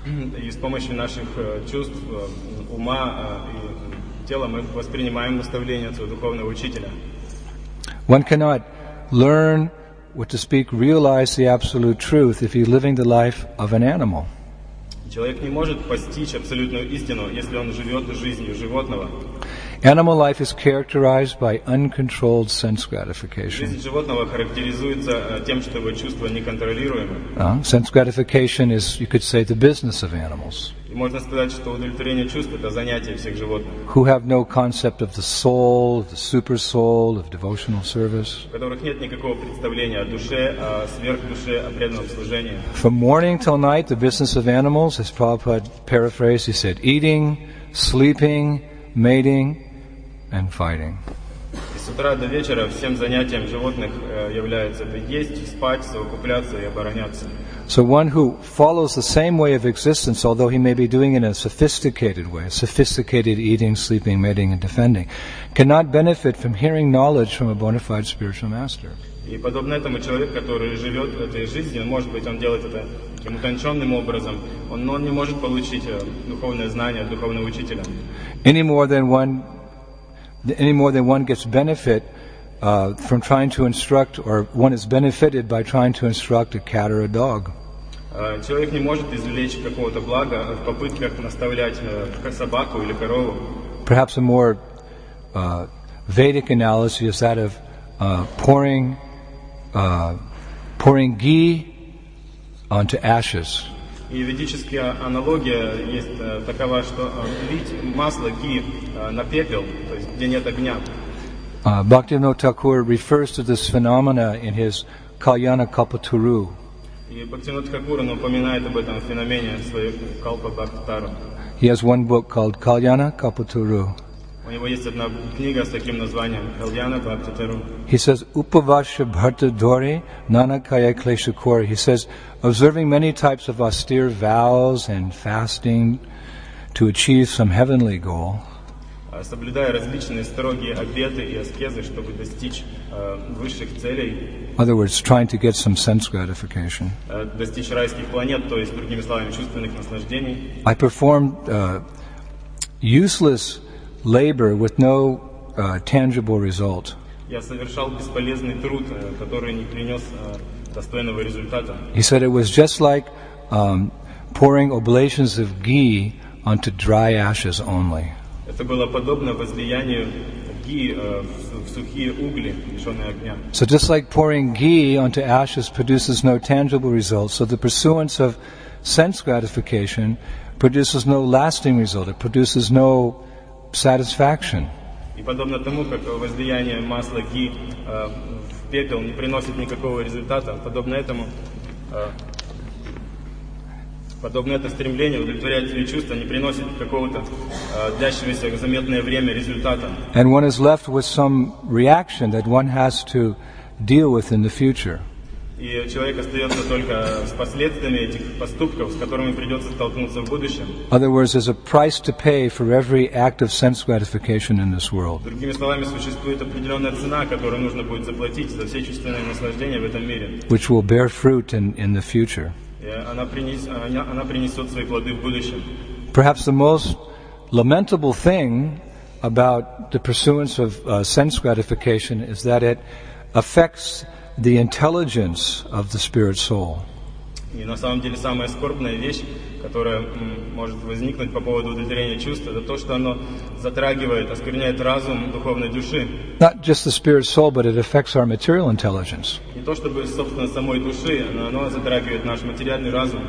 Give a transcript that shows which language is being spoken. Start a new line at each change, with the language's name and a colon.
Russian: И с помощью наших чувств, ума и тела мы воспринимаем наставления своего духовного учителя.
English: One cannot learn what to speak, realize the absolute truth if he's living the life of an animal.
Russian: Человек не может постичь абсолютную истину, если он живет жизнью животного.
English: Animal life is characterized by uncontrolled sense gratification.
Russian: Жизнь животного характеризуется тем, что его чувства неконтролируемы.
English: Sense gratification is, you could say, the business of animals.
Russian: И можно сказать, что удовлетворение чувств – это занятие всех животных.
English: Who have no concept of the soul, of the super soul, of devotional service.
Russian: У которых нет никакого представления о душе, о сверхдуше, о преданном служении.
English: From morning till night, the business of animals, as Prabhupada paraphrased, he said, eating, sleeping, mating and fighting.
Russian: С утра до вечера всем занятием животных является есть, спать, совокупляться и обороняться.
English: So one who follows the same way of existence, although he may be doing it in a sophisticated way, sophisticated eating, sleeping, mating and defending, cannot benefit from hearing knowledge from a bona fide spiritual master.
Russian: И подобно этому человек, который живет этой жизнью, он может быть, он делает это таким утонченным образом, но он не может получить духовное знание от духовного учителя.
English: Any more than one gets benefit from trying to instruct, or one is benefited by trying to instruct a cat or a dog.
Russian: Человек не может извлечь какого-то блага в попытках наставлять собаку или корову.
English: Perhaps a more Vedic analogy is that of pouring ghee onto ashes.
Russian: И ведическая аналогия есть такова, что лить масло ghee на пепел, то есть где нет огня.
English: Bhaktivinoda Thakur refers to this phenomena in his Kalyana Kalpataru.
Russian: И Бхактивинода Тхакур упоминает об этом феномене в своей Калпабхактару.
English: He has one book called Kalyana Kalpataru.
Russian: У него есть одна книга с таким названием Kalyana Kalpataru.
English: He says
Bangla: Upavasya Bharta Dori Nanakaya Klesha Kori.
English: He says observing many types of austere vows and fasting to achieve some heavenly goal.
Russian: Соблюдая различные строгие обеты и аскезы, чтобы достичь высших целей.
English: In other words, trying to get some sense gratification.
Russian: Достичь райских планет, то есть, другими словами, чувственных наслаждений.
English: I performed useless labor with no tangible result.
Russian: Я совершал бесполезный труд, который не принес достойного результата.
English: He said it was just like pouring oblations of ghee onto dry ashes only.
Russian: Это было подобно возлиянию ghee в сухие угли, лишённые огня.
English: So just like pouring ghee onto ashes produces no tangible results, so the pursuance of sense gratification produces no lasting result, it produces no satisfaction.
Russian: И подобно тому, как возлияние масла ghee в пепел не приносит никакого результата, подобно этому подобно это стремление удовлетворять свои чувства не приносит какого-то длящегося заметное время результата.
English: And one is left with some reaction that one has to deal with in the future.
Russian: И человек остается только с последствиями этих поступков, с которыми придется столкнуться в будущем.
English: Other words, there's a price to pay for every act of sense gratification in this world.
Russian: Другими словами, существует определенная цена, которую нужно будет заплатить за все чувственные наслаждения в этом мире.
English: Which will bear fruit in the future.
Russian: Она принесет свои плоды в будущем.
English: Perhaps the most lamentable thing about the pursuance of sense gratification is that it affects the intelligence of the spirit soul.
Russian: И на самом деле самая скорбная вещь, которая может возникнуть по поводу удовлетворения чувств, это то, что оно затрагивает, оскверняет разум духовной души.
English: Not just the spirit soul, but it affects our material intelligence.
Russian: Не то чтобы собственно самой души, но оно затрагивает наш материальный разум.